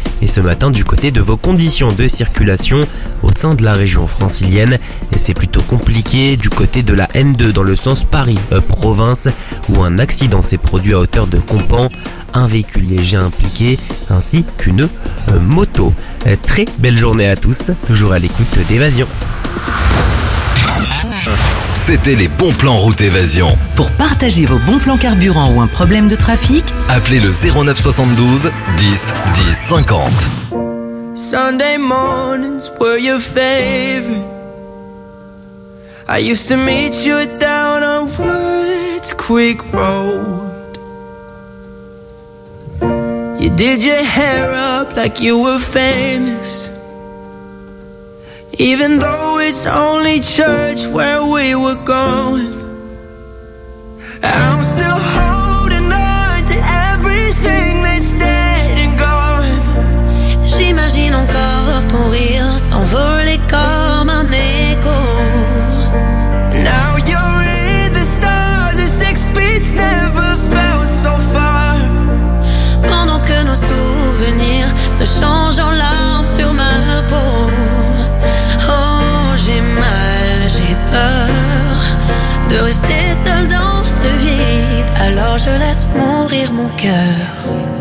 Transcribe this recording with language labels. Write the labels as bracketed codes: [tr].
[fr] Et ce matin, du côté de vos conditions de circulation au sein de la région francilienne, c'est plutôt compliqué du côté de la N2 dans le sens Paris-Province, où un accident s'est produit à hauteur de Compans, un véhicule léger impliqué, ainsi qu'une moto. Très belle journée à tous, toujours à l'écoute d'Évasion. C'était les bons plans route évasion. Pour partager vos bons plans carburant ou un problème de trafic, appelez le 09 72 10 10 50. [en] Sunday mornings were your favorite. I used to meet you down on Woods Creek Road. You did your hair up like you were famous. Even though it's only church where we were going, I'm still holding on to everything that's dead and gone. [fr] J'imagine encore ton rire s'envoler comme un écho. [en] Now you're in the stars and 6 feet never felt so far. [fr] Pendant que nos souvenirs se changent en larmes sur ma peau. De rester seul dans ce vide, alors je laisse mourir mon cœur.